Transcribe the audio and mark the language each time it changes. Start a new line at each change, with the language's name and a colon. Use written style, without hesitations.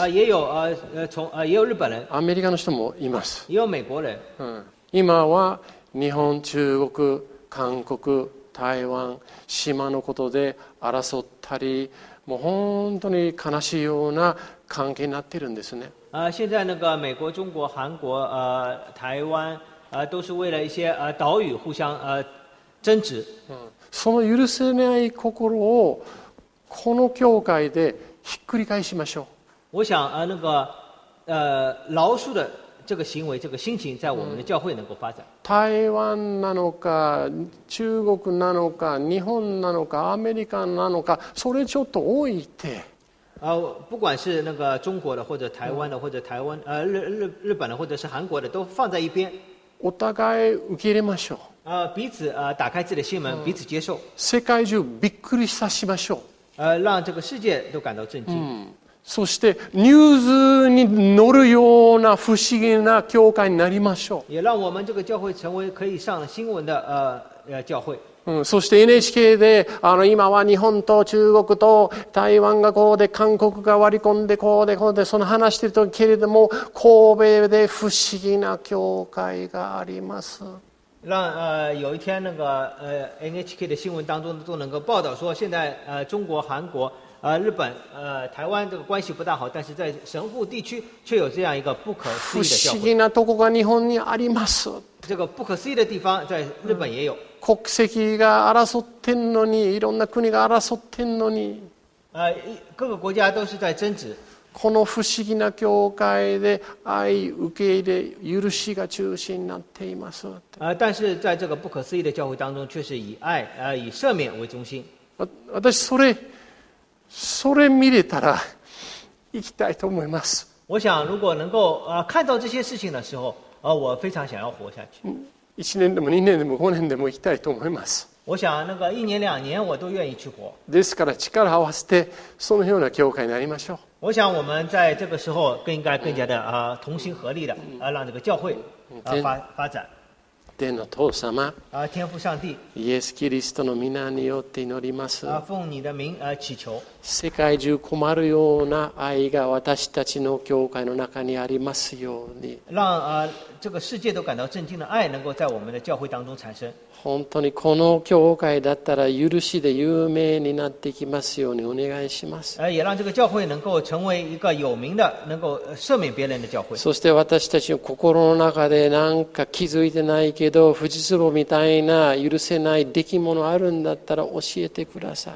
Chinese: 也有日本人。
Japanese: アメリカの人もいます。
Chinese: 也有美国人。
Japanese: 今は日本、中国、韓国、台湾、島のことで争ったり、もう本当に悲しいような関係になってるんですね。
Chinese: 现在那个美国、中国、韩国、台湾、都是为了一些岛屿互相争执。
Japanese: その許せない心をこの教会でひっくり返しましょう。
Chinese: 我想那个饶恕的这个行为这个心情在我们的教会能够发展、嗯、
Japanese: 台湾なのか中国なのか日本なのかアメリカなのかそれちょっと置いて、
Chinese: 不管是那个中国的或者台湾的或者台湾、嗯、日本的或者是韩国的都放在一边
Japanese: お互い受け入れましょう、
Chinese: 彼此、打開自己的心門、彼此接受、
Japanese: 世界中びっくりさしましょう、
Chinese: 让这个世界都感到震惊、
Japanese: うん、そしてニュースに乗るような不思議な教会になりましょう、
Chinese: 也让我们这个教会成为可以上新闻的、教会、
Japanese: うん、そして NHK で今は日本と中国と台湾がこうで韓国が割り込んでこうでこうでその話してるけれども神戸で不思議な教会があります。
Chinese: 让有一天那个NHK 的新闻当中都能够报道说现在中国韩国日本台湾这个关系不大好，但是在神户地区却有这样一个不可思议的教会。
Japanese: 不思議なとこが日本にあります。
Chinese: 这个不可思议的地方在日本也有、嗯、
Japanese: 国籍が争ってんのに、いろんな国が争ってんのに、
Chinese: 各个国家都是在争执。
Japanese: この不思議な教会で愛受け入れ許しが中心になっています。
Chinese: 但是在这个不可思议的教会当中却是以爱、以赦免为中心。
Japanese: 私それ見れたら行きたいと思います。
Chinese: 我想如果能够、看到这些事情的时候、我非常想要活下去。
Japanese: 1年でも2年でも5年でも行きたいと思います。
Chinese: 我想那个一年两年我都愿意去活。
Japanese: ですから力を合わせてそのような教会になりましょう。
Chinese: 我想我们在这个时候更应该更加的、嗯、同心合力的、嗯、让这个教会、发展。
Japanese: 天の父様、
Chinese: 天父上帝、
Japanese: イエス・キリストの皆によって祈ります。
Chinese: 奉你的名、祈求。
Japanese: 世界中困るような愛が私たちの教会の中にありますように。
Chinese: 让、这个世界都感到震惊的爱能够在我们的教会当中产生。
Japanese: 本当にこの教会だったら許しで有名になってきますようにお願いします。
Chinese: 也让这个教会能够成为一个有名的、能够赦免别人的教会。
Japanese: そして私たちの心の中で何か気づいてないけど、フジツボみたいな許せない出来物あるんだったら教えてください。